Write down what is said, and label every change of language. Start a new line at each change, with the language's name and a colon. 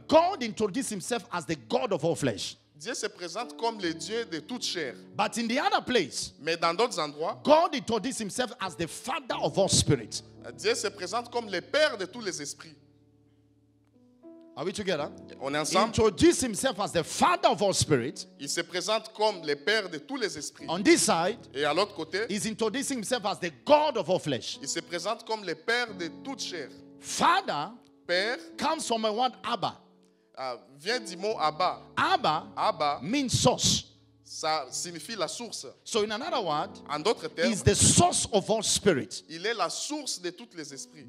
English: God introduced himself as the God of all flesh.
French: Dieu se présente comme le Dieu de toute chair.
English: But in the other place,
French: mais dans d'autres endroits,
English: God introduces himself as the Father of all spirit.
French: Dieu se présente comme le Père de tous les esprits.
English: Are we together?
French: On est ensemble.
English: Introduce himself as the Father of all spirit.
French: Il se présente comme le Père de tous les esprits.
English: On this side,
French: et à l'autre côté,
English: he's introducing himself as the God of all flesh.
French: Il se présente comme le Père de toute chair.
English: Father,
French: Père,
English: comes from a word Abba.
French: Vient du mot Abba.
English: Abba.
French: Abba
English: means source.
French: Ça signifie la source.
English: So in another word,
French: en d'autres termes,
English: is the source of all spirit.
French: Il est la source de tous les esprits.